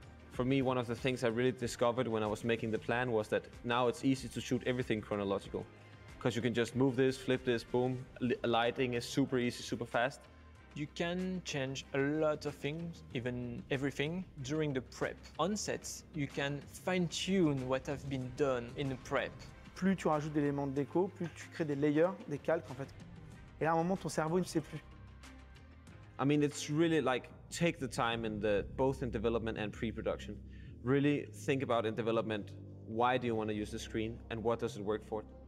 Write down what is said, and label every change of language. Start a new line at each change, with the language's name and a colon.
English: For me, one of the things I really discovered when I was making the plan was that now it's easy to shoot everything chronological. Because you can just move this, flip this, boom. Lighting is super easy, super fast. You can change a lot of things, even everything, during the prep. On sets, you can fine-tune what has been done in the prep.
French: Plus tu rajoutes d'éléments de déco, plus tu crées des layers, des calques, en fait. Et là, à un moment, ton cerveau ne sait plus.
English: I mean, it's really like, take the time in the both in development and pre-production. Really think about in development, why do you want to use the screen and what does it work for?